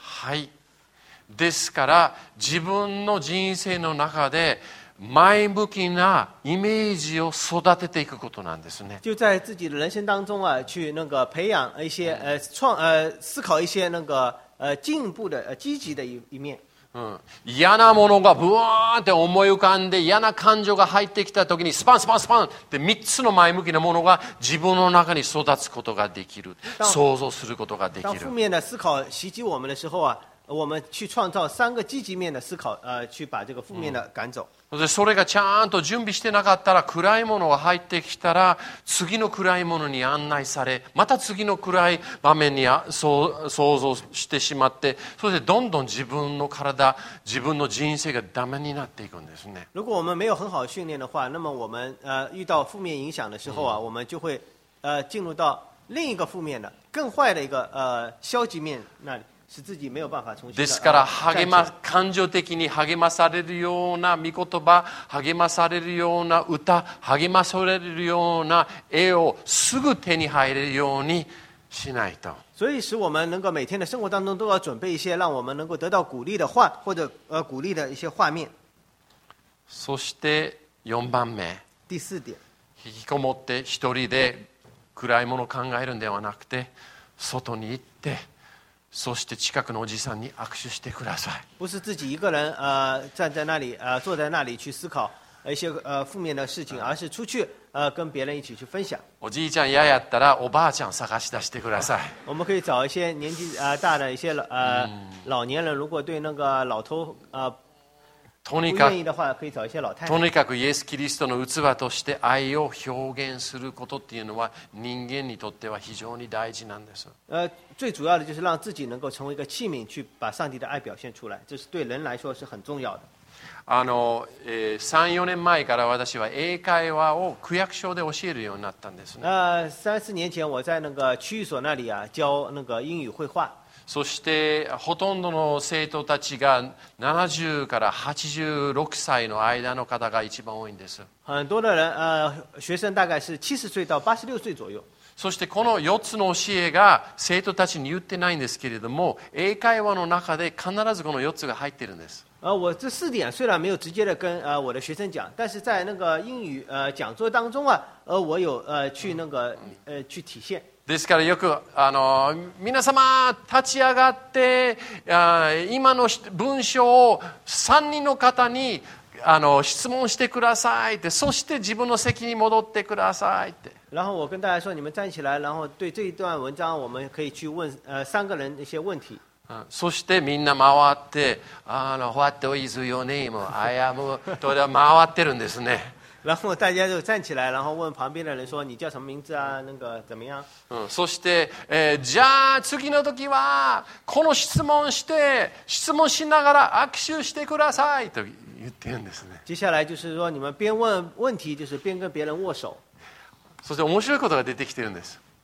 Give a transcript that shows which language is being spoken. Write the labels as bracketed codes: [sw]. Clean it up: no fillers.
[ja] はい、ですから自分の人生の中で前向きなイメージを育てていくことなんですね。 [zh] 就在自己的人生当中啊，去那个培养一些思考一些那个进步的积极的一面。 [ja] うん、嫌なものがブワーンって思い浮かんで嫌な感情が入ってきた時にスパンスパンスパンって三つの前向きなものが自分の中に育つことができる、想像することができる。 [zh] 当负面的思考袭击我们的时候啊，我们去创造三个积极面的思考，去把这个负面的赶走。 [ja] それがちゃんと準備してなかったら暗いものが入ってきたら次の暗いものに案内されまた次の暗い場面に想像してしまってそれでどんどん自分の体自分の人生がダメになっていくんですね。 [zh] 如果我们没有很好训练的话，那么我们遇到负面影响的时候啊，我们就会进入到另一个负面的更坏的一个消极面那里，使自己没有办法重新。 [ja] ですから励ま感情的に励まされるような御言葉、励まされるような歌、励まされるような絵をすぐ手に入れるようにしないと。 [zh] 所以使我们能够每天的生活当中都要准备一些让我们能够得到鼓励的话或者鼓励的一些画面。 [ja] そして四番目。 [zh] 第四点。 [ja] 引きこもって一人で暗いものを考えるんではなくて外に行って。そして近くのおじさんに握手してください。 [zh] 不是自己一个人站在那里坐在那里去思考一些负面的事情，而是出去跟别人一起去分享。 [ja] おじいちゃん嫌やったらおばあちゃん探し出してください。 [zh] 我们可以找一些年纪大的一些老年人，如果对那个老头不愿意的话，可以找一些老太太。 [ja] とにかくイエスキリストの器として愛を表現することっていうのは人間にとっては非常に大事なんです。 [zh] 最主要的就是让自己能够成为一个器皿，去把上帝的爱表现出来，这是对人来说是很重要的。 [ja] 三四年前から私は英会話を区役所で教えるようになったんですね。 [zh] 三四年前，我在那个区域所那里啊教那个英语绘画。 [ja] そしてほとんどの生徒たちが70から86歳の間の方が一番多いんです。 [zh] 很多的人学生大概是70岁到86岁左右。 [ja] そしてこの4つの教えが生徒たちに言ってないんですけれども、英会話の中で必ずこの4つが入っているんです。 [zh] 我这四点虽然没有直接的跟我的学生讲，但是在那个英语讲座当中啊，我有去那个去体现。 [ja] ですからよく皆様立ち上がって今の文章を3人の方に質問してくださいって、そして自分の席に戻ってくださいって。 [zh] 然后我跟大家说，你们站起来，然后对这一段文章，我们可以去问三个人一些问题。 [ja] そしてみんな回って、 [en] What is your name? I am. [ja] と回ってるんですね。 [zh] 然后大家就站起来，然后问旁边的人说：“你叫什么名字啊？那个怎么样？” [ja] そして、じゃあ次の時はこの質問して、質問しながら握手してくださいと言ってるんですね。 [zh] 接下来就是说，你们边问问题，就是边跟别人握手。 [ja] そして面白いことが出てきてるんです。